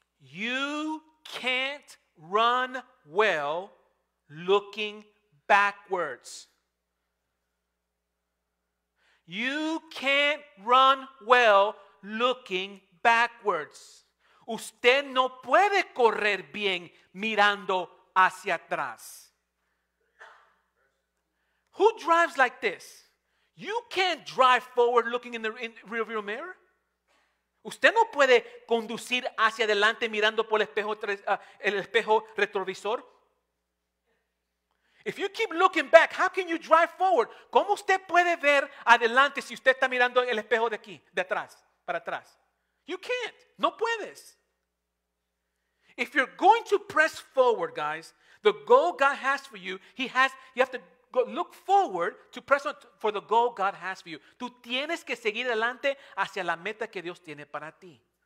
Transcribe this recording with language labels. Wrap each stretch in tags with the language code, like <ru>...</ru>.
<en>You can't run well looking backwards. You can't run well looking backwards.</en> <es>Usted no puede correr bien mirando hacia atrás.</es> <en>Who drives like this? You can't drive forward looking in the rearview mirror.</en> <es>Usted no puede conducir hacia adelante mirando por el espejo retrovisor.</es> <en>If you keep looking back, how can you drive forward?</en> <es>¿Cómo usted puede ver adelante si usted está mirando el espejo de aquí, de atrás, para atrás?</es> <en>You can't.</en> <es>No puedes.</es> <en>If you're going to press forward, guys, the goal God has for you, you have to go look forward to press on for the goal God has for you.</en> <es>Tú tienes que seguir adelante hacia la meta que Dios tiene para ti.</es>